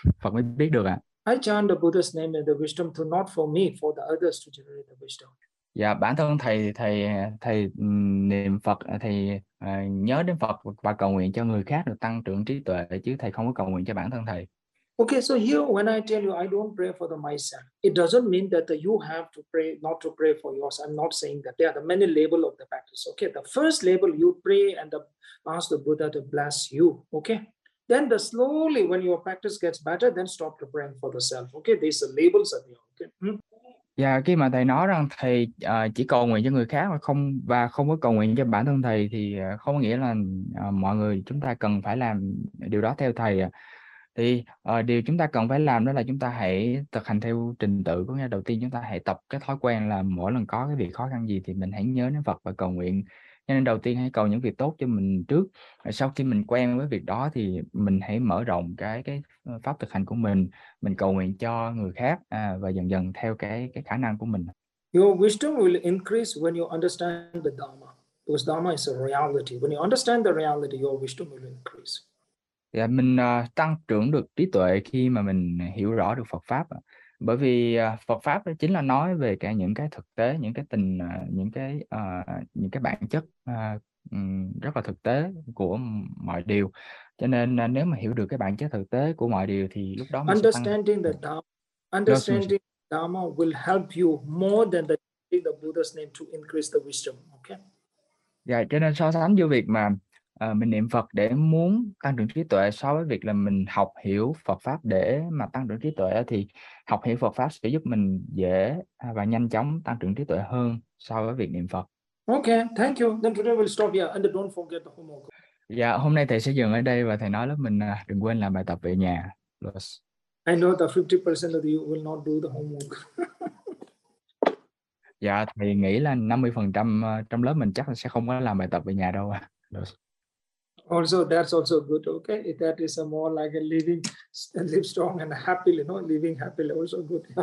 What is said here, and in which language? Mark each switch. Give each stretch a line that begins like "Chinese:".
Vietnamese: Phật mới biết được ạ.
English: I chant the Buddha's name and the wisdom to not for me, for the others to generate the wisdom.
Vietnamese: Dạ, bản thân thầy niệm Phật, thầy nhớ đến Phật và cầu nguyện cho người khác được tăng trưởng trí tuệ, chứ thầy không có cầu nguyện cho bản thân thầy.
English: Okay, so here when I tell you I don't pray for the myself, it doesn't mean that you have to pray not to pray for yours. I'm not saying that. There are the many label of the practice. Okay, the first label, you pray and ask the Buddha to bless you. Okay, then the slowly when your practice gets better, then stop to praying for the self. Okay, these are labels of you. Okay.
Vietnamese: Dạ, khi mà thầy nói rằng thầy chỉ cầu nguyện cho người khác và không có cầu nguyện cho bản thân thầy thì không có nghĩa là mọi người chúng ta cần phải làm điều đó theo thầy. Thì điều chúng ta cần phải làm đó là chúng ta hãy thực hành theo trình tự, có nghĩa đầu tiên chúng ta hãy tập cái thói quen là mỗi lần có cái việc khó khăn gì thì mình hãy nhớ đến Phật và cầu nguyện. Cho nên đầu tiên hãy cầu những việc tốt cho mình trước. Sau khi mình quen với việc đó thì mình hãy mở rộng cái pháp thực hành của mình. Mình cầu nguyện cho người khác và dần dần theo cái khả năng của mình.
English: Your wisdom will increase when you understand the Dharma. Because Dharma is a reality. When you understand the reality, your wisdom will increase.
Vietnamese: Yeah, mình tăng trưởng được trí tuệ khi mà mình hiểu rõ được Phật Pháp. Bởi vì Phật Pháp chính là nói về cả những cái thực tế, những cái bản chất rất là thực tế của mọi điều. Cho nên nếu mà hiểu được cái bản chất thực tế của mọi điều thì lúc đó mình
English: understanding
Vietnamese: sẽ tăng...
English: the Dharma, understanding the Dharma will help you more than the Buddha's name to increase the wisdom, okay?
Vietnamese: Dạ, cho nên so sánh với việc mà mình niệm Phật để muốn tăng trưởng trí tuệ so với việc là mình học hiểu Phật Pháp để mà tăng trưởng trí tuệ, thì học hiểu Phật Pháp sẽ giúp mình dễ và nhanh chóng tăng trưởng trí tuệ hơn so với việc niệm Phật.
English: Okay, thank you. Then today we'll stop here and don't forget the homework.
Vietnamese: Dạ, hôm nay thầy sẽ dừng ở đây và thầy nói lớp mình đừng quên làm bài tập về nhà.
English: Plus. I know that 50% of you will not do the homework.
Vietnamese: Dạ, thầy nghĩ là 50% trong lớp mình chắc là sẽ không có làm bài tập về nhà đâu.
English: Plus. Also, that's also good, okay? If that is a more like a living, live strong and happily, you know, living happily, also good.